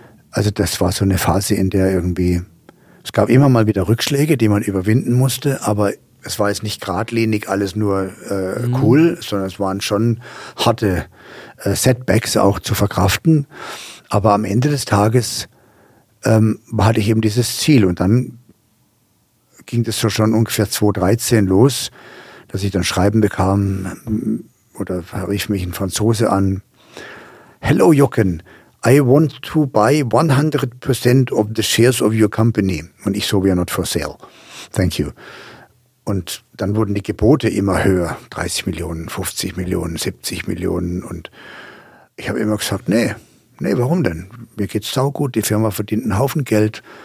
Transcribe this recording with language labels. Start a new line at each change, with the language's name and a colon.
German: Also das war so eine Phase, in der irgendwie, es gab immer mal wieder Rückschläge, die man überwinden musste, aber es war jetzt nicht geradlinig alles nur cool, sondern es waren schon harte Setbacks auch zu verkraften. Aber am Ende des Tages hatte ich eben dieses Ziel und dann ging das so schon ungefähr 2013 los, dass ich dann Schreiben bekam oder rief mich ein Franzose an.
English: Hello Jochen, I want to buy 100% of the shares of your company.
German: Und ich so,
English: we are not for sale. Thank you.
German: Und dann wurden die Gebote immer höher. 30 Millionen, 50 Millionen, 70 Millionen. Und ich habe immer gesagt, nee, warum denn? Mir geht's saugut, die Firma verdient einen Haufen Geld.